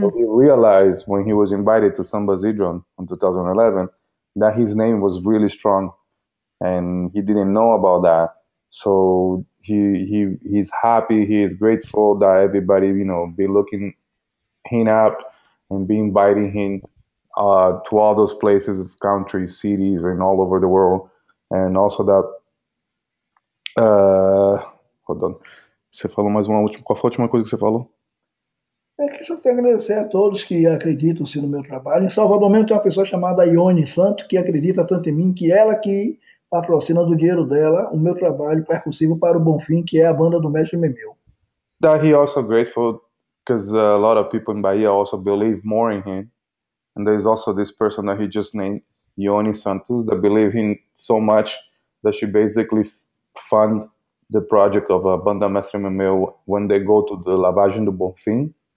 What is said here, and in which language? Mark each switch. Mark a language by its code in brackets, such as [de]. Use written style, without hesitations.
[en] So he realized when he was invited to San Basidron in 2011 that his name was really strong and he didn't know about that. So he's happy, he is grateful that everybody, you know, be looking him up and be inviting him to all those places, countries, cities, and all over the world. And also that, hold on, [pt] você falou mais uma última, qual foi a última coisa que você falou? É que só tenho a agradecer a todos que acreditam sim, no meu trabalho. Em Salvador mesmo tem uma pessoa chamada Ione Santo, que acredita tanto em mim, que ela que patrocina do dinheiro dela o meu trabalho percussivo para o Bonfim, que é a banda do Mestre Memeu. [en] That he also grateful, because a lot of people in Bahia also believe more in him. And there's also this person that he just named, Ione Santos, that believe in so much that she basically fund the project of a banda Mestre Memeu when they go to the Lavagem do Bonfim.